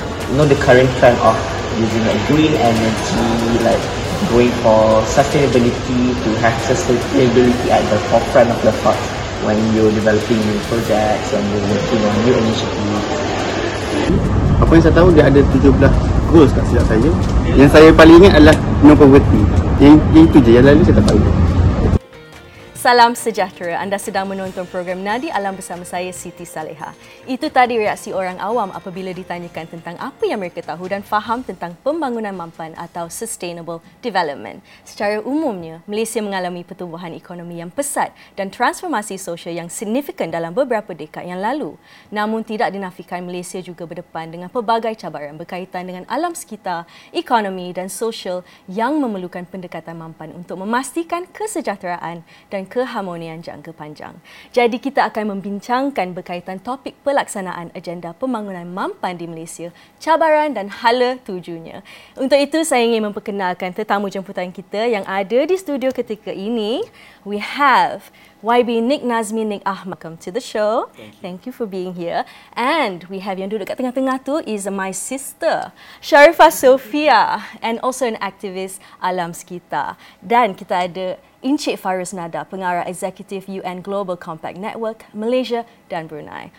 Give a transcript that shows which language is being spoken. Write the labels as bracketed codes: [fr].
[en] You know, the current trend of using like green energy, like going for sustainability, to have sustainability at the forefront of your thoughts when you're developing new projects and you're working on new initiatives. [ms] Apa yang saya tahu, dia ada 17 goals kat silap saya. Yang saya paling ingat adalah no poverty. Yang itu je, yang lain saya tak tahu. Salam sejahtera. Anda sedang menonton program Nadi Alam bersama saya, Siti Saleha. Itu tadi reaksi orang awam apabila ditanyakan tentang apa yang mereka tahu dan faham tentang pembangunan mampan atau sustainable development. Secara umumnya, Malaysia mengalami pertumbuhan ekonomi yang pesat dan transformasi sosial yang signifikan dalam beberapa dekad yang lalu. Namun tidak dinafikan, Malaysia juga berdepan dengan pelbagai cabaran berkaitan dengan alam sekitar, ekonomi dan sosial yang memerlukan pendekatan mampan untuk memastikan kesejahteraan dan keharmonian jangka panjang. Jadi kita akan membincangkan berkaitan topik pelaksanaan agenda pembangunan mampan di Malaysia, cabaran dan hala tujunya. Untuk itu, saya ingin memperkenalkan tetamu jemputan kita yang ada di studio ketika ini. [en] We have YB Nick Nazmi Nick Ahmad. Welcome to the show. Thank you for being here. And we have [ms] yang duduk kat tengah-tengah tu [en] is my sister, Sharifah Sofia, and also an activist [ms] alam sekitar. Dan kita ada Encik Faris Nada, pengarah eksekutif UN Global Compact Network Malaysia dan Brunei.